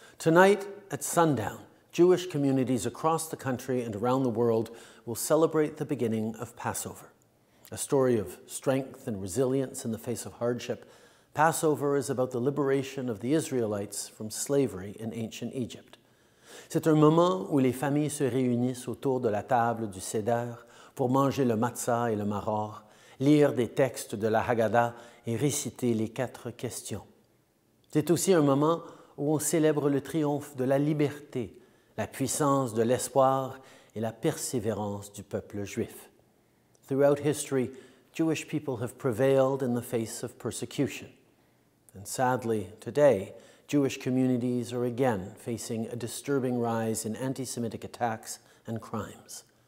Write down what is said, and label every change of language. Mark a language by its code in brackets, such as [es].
[en] Tonight at sundown, Jewish communities across the country and around the world will celebrate the beginning of Passover. A story of strength and resilience in the face of hardship, Passover is about the liberation of the Israelites from slavery in ancient Egypt. [fr] C'est un moment où les familles se réunissent autour de la table du Seder pour manger le matzah et le maror, lire des textes de la Haggadah et réciter les quatre questions. C'est aussi un moment où on célèbre le triomphe de la liberté, la puissance de l'espoir et la persévérance du peuple juif. [en] Throughout history, Jewish people have prevailed in the face of persecution. And sadly, today, Jewish communities are again facing a disturbing rise in anti-Semitic attacks and crimes.